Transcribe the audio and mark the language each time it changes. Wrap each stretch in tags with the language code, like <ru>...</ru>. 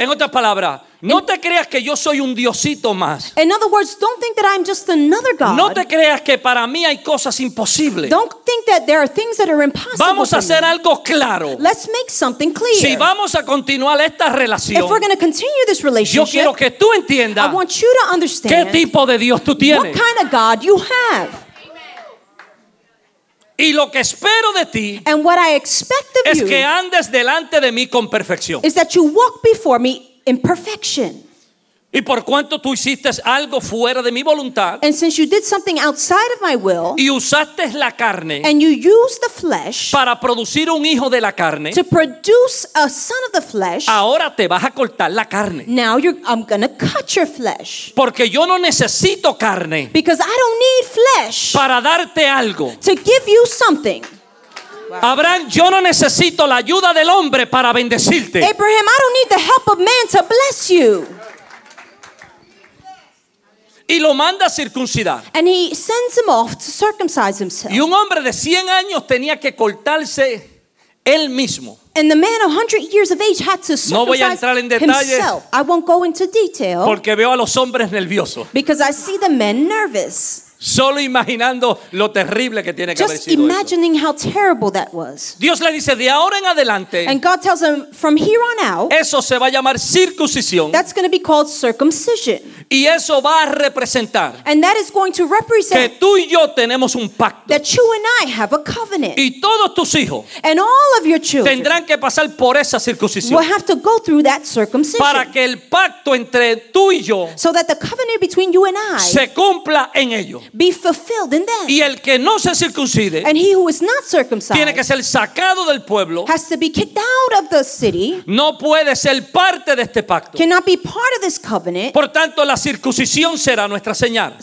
<es>En otras palabras, no te creas que yo soy un diosito más.</es> <en>In other words, don't think that I'm just another God.</en> <es>No te creas que para mí hay cosas imposibles.</es> <en>Don't think that there are things that are impossible.</en> <es>Vamos a hacer</es> <en>me.</en> <es>Algo claro.</es> <en>Let's make something clear.</en> <es>Si vamos a continuar esta relación,</es> <en>if we're going to continue this relationship,</en> <es>yo quiero que tú entiendas,</es> <en>I want you to understand,</en> <es>qué tipo de Dios tú tienes.</es> <en>What kind of God you have.</en> <es>Y lo que espero de ti,</es> <en>and what I expect of</en> <es>es</es> <en>you,</en> <es>que andes delante de mí con perfección.</es> <en>Is that you walk before me in perfection.</en> <es>Y por cuanto tú hiciste algo fuera de mi voluntad,</es> <en>and since you did something outside of my will,</en> <es>y usaste la carne,</es> <en>and you used the flesh,</en> <es>para producir un hijo de la carne,</es> <en>to produce a son of the flesh,</en> <es>ahora te vas a cortar la carne.</es> <en>Now I'm going to cut your flesh.</en> <es>Porque yo no necesito carne.</es> <en>Because I don't need flesh.</en> <es>Para darte algo.</es> <en>To give you something. Wow.</en> <es>Abraham, yo no necesito la ayuda del hombre para bendecirte.</es> <en>Abraham, I don't need the help of man to bless you.</en> <es>Y lo manda a circuncidar.</es> <en>And he sends him off to circumcise himself.</en> <es>Y un hombre de 100 años tenía que cortarse él mismo.</es> <en>And the man 100 years of age had to circumcise himself.</en> <es>No voy a entrar en detalles.</es> <en>I won't go into detail.</en> <es>Porque veo a los hombres nerviosos.</es> <en>Because I see the men nervous.</en> <es>Solo imaginando lo terrible que tiene que</es> <en>just</en> <es>haber sido eso.</es> <en>Just imagining how terrible that was.</en> <es>Dios le dice de ahora en adelante.</es> <en>And God tells him from here on out.</en> <es>Eso se va a llamar circuncisión.</es> <en>That's going to be called circumcision.</en> <es>Y eso va a representar.</es> <en>And that is going to represent.</en> <es>Que tú y yo tenemos un pacto.</es> <en>That you and I have a covenant.</en> <es>Y todos tus hijos.</es> <en>And all of your children.</en> <es>Tendrán que pasar por esa circuncisión.</es> <en>Will have to go through that circumcision.</en> <es>Para que el pacto entre tú y yo.</es> <en>So that the covenant between you and I.</en> <es>Se cumpla en ellos.</es> <en>Be fulfilled in them.</en> <es>Y el que no se circuncide,</es> <en>and he who is not circumcised,</en> <es>tiene que ser sacado del pueblo,</es> <en>has to be kicked out of the city.</en> <es>No puede ser parte de este pacto.</es> <en>Cannot be part of this covenant.</en> <es>Por tanto, la circuncisión será nuestra señal.</es>